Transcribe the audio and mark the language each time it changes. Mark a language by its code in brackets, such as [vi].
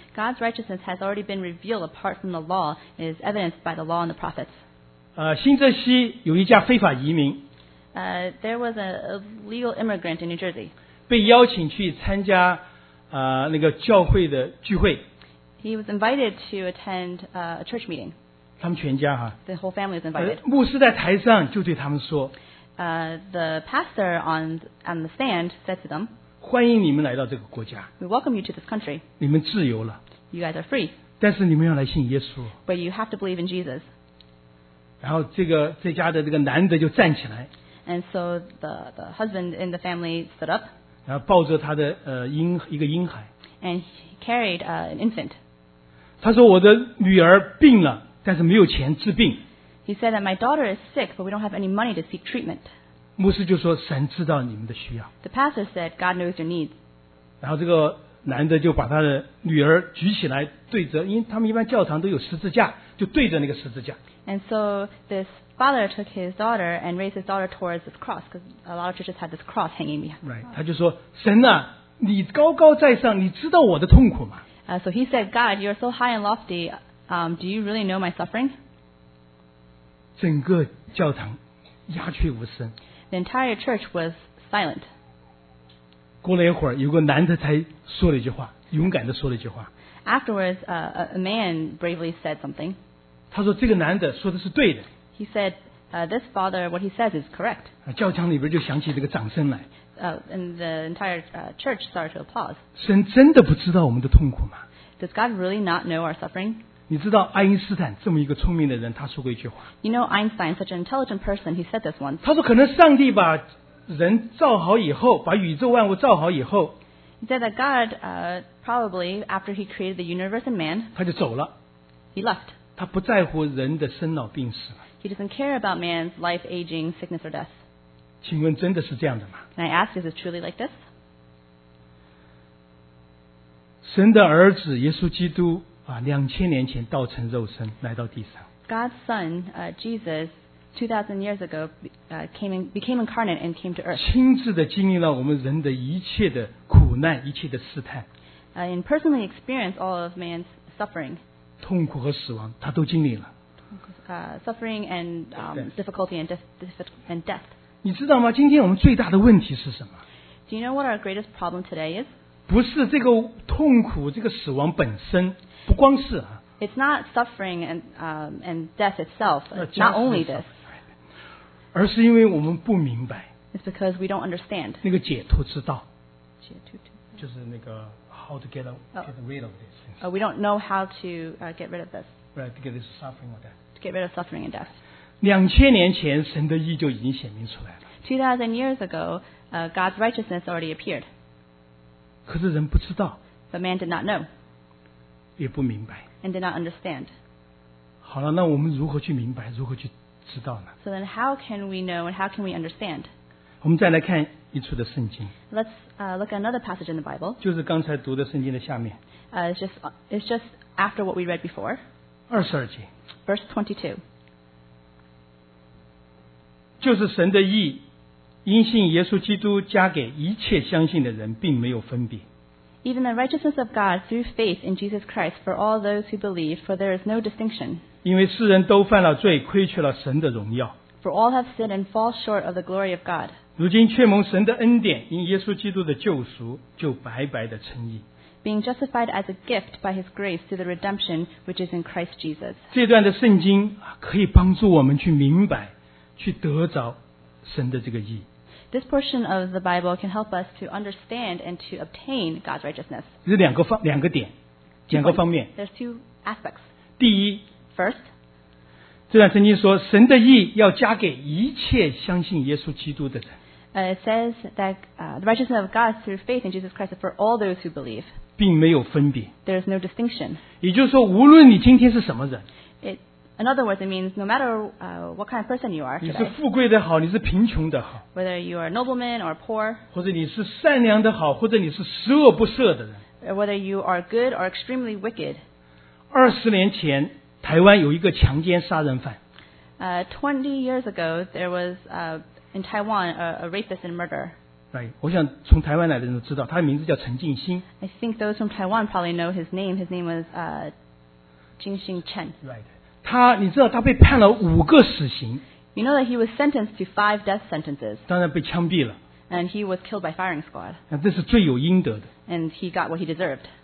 [en] God's righteousness has already been revealed apart from the law, is evidenced by the law and the prophets. [zh] 新泽西有一家非法移民。 [en] There was a legal immigrant in New Jersey. [zh] 被邀请去参加那个教会的聚会。 [en] He was invited to attend a church meeting. [zh] 他们全家。 [en] The whole family was invited. [zh] 牧师在台上就对他们说。 [en] The pastor on the stand said to them, [zh] 欢迎你们来到这个国家。 [en] We welcome you to this country. [zh] 你们自由了。 [en] You guys are free. [zh] 但是你们要来信耶稣。 [en] But you have to believe in Jesus. [zh] 然后这家的这个男的就站起来。 [en] And so the husband in the family stood up. [zh] 然后抱着他的一个婴孩。 [en] And he carried an infant. [zh] 他说我的女儿病了，但是没有钱治病。 [en] He said that my daughter is sick, but we don't have any money to seek treatment. [zh] 牧师就说神知道你们的需要。The [en] pastor said God knows your needs. [zh] 然后这个男的就把他的女儿举起来，对着，因为他们一般教堂都有十字架，就对着那个十字架。And [en] so this father took his daughter and raised his daughter towards this cross, because a lot of churches had this cross hanging behind. [zh] Right. 他就说神啊。你高高在上，你知道我的痛苦吗？ [en] So he said, God, you're so high and lofty. Do you really know my suffering? [zh] 整个教堂鸦雀无声。 [en] The entire church was silent. [zh] 过了一会儿，有个男的才说了一句话，勇敢的说了一句话。 [en] Afterwards, a man bravely said something. [zh] 他说这个男的说的是对的。 [en] He said, this father, what he says is correct. [zh] 教堂里边就响起这个掌声来。 [en] And the entire church started to applaud. [zh] 神真的不知道我们的痛苦吗？ [en] Does God really not know our suffering? [zh] 你知道爱因斯坦这么一个聪明的人，他说过一句话。 [en] You know Einstein, such an intelligent person, he said this once. [zh] 他说可能上帝把人造好以后，把宇宙万物造好以后。 [en] He said that God, probably after he created the universe and man. [zh] 他就走了。 [en] He left. [zh] 他不在乎人的生老病死。 [en] He doesn't care about man's life, aging, sickness or death. [zh] 请问真的是这样的吗？ [en] Can I ask, is it truly like this? [zh] 神的儿子耶稣基督啊，两千年前道成肉身来到地上。 [en] God's son, Jesus, 2,000 years ago, became incarnate and came to earth. [zh] 亲自的经历了我们人的一切的苦难，一切的试探。 [en] And personally experienced all of man's suffering. [zh] 痛苦和死亡，他都经历了。 [en] Suffering and difficulty and death. [zh] 你知道吗？今天我们最大的问题是什么？ [en] Do you know what our greatest problem today is? [zh] 不是这个痛苦，这个死亡本身。不光是啊 [en] ，It's not suffering and death itself. Not only this, [zh] 而是因为我们不明白。 [en] It's because we don't understand [zh] 那个解脱之道。解脱就是那个 [en] how to get rid of this. We don't know how to get rid of this. Right, to get this suffering or death. To get rid of suffering and death. [zh] 两千年前神的义就已经显明出来了。 [en] 2,000 years ago, God's righteousness already appeared. [zh] 可是人不知道。 [en] But man did not know. [zh] 也不明白。 [en] And did not understand. [zh] 好了，那我们如何去明白，如何去知道呢？ [en] So then how can we know and how can we understand? [zh] 我们再来看一处的圣经。 [en] Let's look at another passage in the Bible. [zh] 就是刚才读的圣经的下面。 [en] It's just after what we read before. [zh] 二十二节。 [en] Verse 22. [zh] 就是神的义，因信耶稣基督加给一切相信的人，并没有分别。 [en] Even the righteousness of God through faith in Jesus Christ for all those who believe, for there is no distinction. [zh] 因为世人都犯了罪，亏缺了神的荣耀。 [en] For all have sinned and fall short of the glory of God. [zh] 如今却蒙神的恩典，因耶稣基督的救赎，就白白的称义。 [en] Being justified as a gift by His grace through the redemption which is in Christ Jesus. [zh] 这段的圣经可以帮助我们去明白，去得着神的这个义。 [en] This portion of the Bible can help us to understand and to obtain God's righteousness. [zh] 是两个点，两个方面。 [en] There's two aspects. [zh] 第一 [en] ，First， [zh] 这段圣经说，神的义要加给一切相信耶稣基督的人。 [en] It says that the righteousness of God through faith in Jesus Christ for all those who believe. [zh] 并没有分别。 [en] There's no distinction. [zh] 也就是说，无论你今天是什么人。 [en] In other words, it means no matter what kind of person you are, [zh] 你是富贵的好，你是贫穷的好。 [en] Whether you are a nobleman or poor, [zh] 或者你是善良的好，或者你是十恶不赦的人。 [en] Whether you are good or extremely wicked. [zh] 二十年前，台湾有一个强奸杀人犯。 [en] 20 years ago, there was in Taiwan a rapist and murderer. [zh] Right, 我想从台湾来的人都知道，他的名字叫陈静心。 [en] I think those from Taiwan probably know his name. His name was Jing Xing Chen. Right. [zh] 他，你知道他被判了五个死刑。 [en] You know that he was sentenced to 5 death sentences. [zh] 当然被枪毙了。 [en] And he was killed by firing squad. [zh] 那这是罪有应得的。 [en] And he got what he deserved.